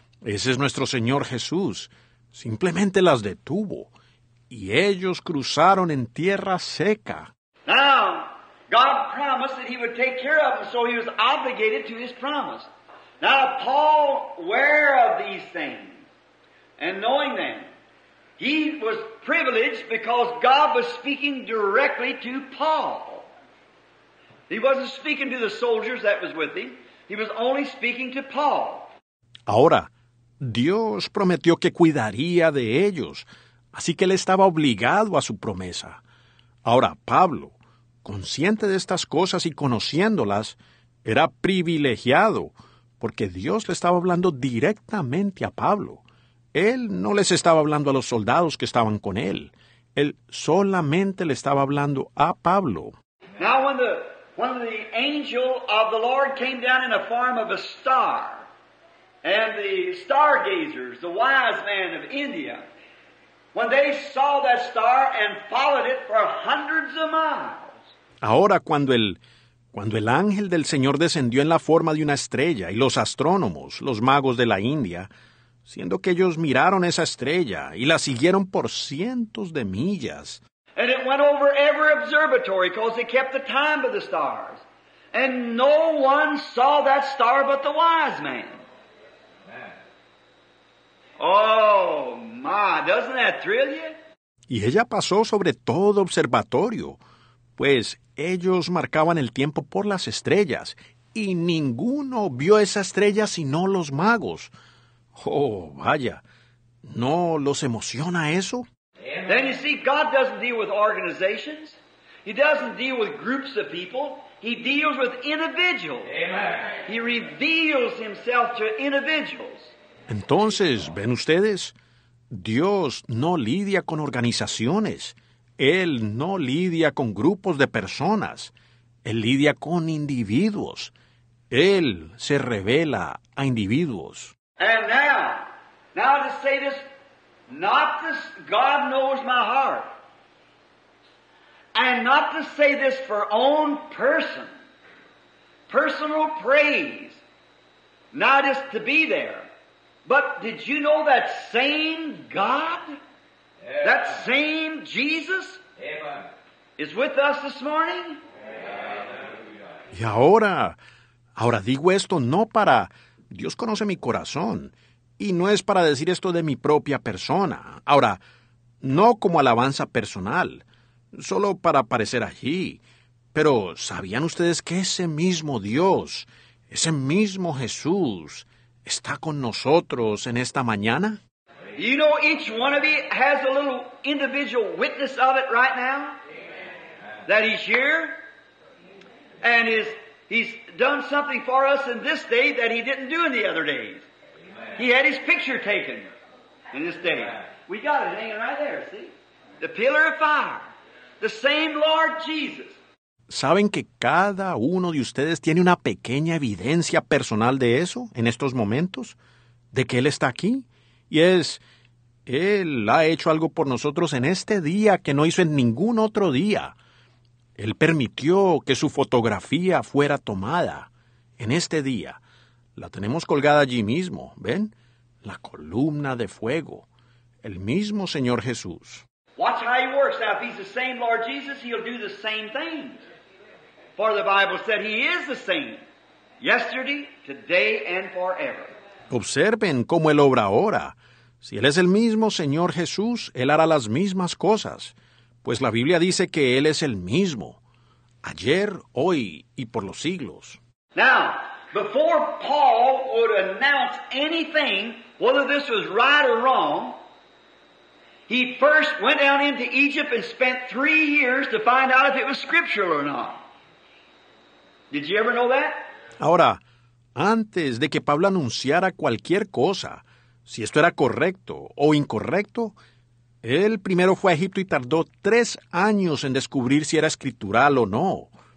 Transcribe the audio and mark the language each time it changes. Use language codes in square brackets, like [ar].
[es] Ese es nuestro Señor Jesús. Simplemente las detuvo. Y ellos cruzaron en tierra seca. [en] Now, God promised that he would take care of them, so he was obligated to his promise. Now, Paul, aware of these things, and knowing them, he was privileged because God was speaking directly to Paul. He wasn't speaking to the soldiers that was with him. He was only speaking to Paul. [es] Ahora, Dios prometió que cuidaría de ellos, así que él estaba obligado a su promesa. Ahora, Pablo, consciente de estas cosas y conociéndolas, era privilegiado, porque Dios le estaba hablando directamente a Pablo. Él no les estaba hablando a los soldados que estaban con él. Él solamente le estaba hablando a Pablo. [en] Now when the angel of the Lord came down in the form of a star, and the stargazers, the wise men of India, when they saw that star and followed it for hundreds of miles. [es] Ahora cuando el ángel del Señor descendió en la forma de una estrella y los astrónomos, los magos de la India, siendo que ellos miraron esa estrella y la siguieron por cientos de millas. [en] And it went over every observatory because they kept the time of the stars. And no one saw that star but the wise man. Oh, my, doesn't that thrill you? [es] Y ella pasó sobre todo observatorio, pues ellos marcaban el tiempo por las estrellas, y ninguno vio esa estrella sino los magos. Oh, vaya, ¿no los emociona eso? [en] Then you see, God doesn't deal with organizations. He doesn't deal with groups of people. He deals with individuals. Amen. He reveals himself to individuals. [es] Entonces, ¿ven ustedes? Dios no lidia con organizaciones. Él no lidia con grupos de personas. Él lidia con individuos. Él se revela a individuos. [en] And now to say this, not this, God knows my heart. And not to say this for own personal praise, not just to be there. But did you know that same God, Amen. That same Jesus, Amen. Is with us this morning? Amen. [es] Y ahora digo esto no para, Dios conoce mi corazón, y no es para decir esto de mi propia persona. Ahora, no como alabanza personal, solo para aparecer allí. Pero, ¿sabían ustedes que ese mismo Dios, ese mismo Jesús, está con nosotros en esta mañana? [en] You know, each one of you has a little individual witness of it right now. Amen. That he's here. And he's done something for us in this day that he didn't do in the other days. Amen. He had his picture taken in this day. Amen. We got it hanging right there, see? The pillar of fire. The same Lord Jesus. [es] ¿Saben que cada uno de ustedes tiene una pequeña evidencia personal de eso en estos momentos? ¿De que Él está aquí? Y es, Él ha hecho algo por nosotros en este día que no hizo en ningún otro día. Él permitió que su fotografía fuera tomada en este día. La tenemos colgada allí mismo, ¿ven? La columna de fuego. El mismo Señor Jesús. [en] Watch how he works. Now, if he's the same Lord Jesus, he'll do the same thing. For the Bible said he is the same yesterday, today, and forever. [es] Observen cómo él obra ahora. Si él es el mismo Señor Jesús, él hará las mismas cosas. Pues la Biblia dice que él es el mismo, ayer, hoy y por los siglos. [en] Now, before Paul would announce anything, whether this was right or wrong, he first went down into Egypt and spent 3 years to find out if it was scriptural or not. Did you ever know that? [es] Ahora, antes de que Pablo anunciara cualquier cosa, si esto era correcto o incorrecto, El primero fue a Egipto y tardó 3 años en descubrir si era escritural o no.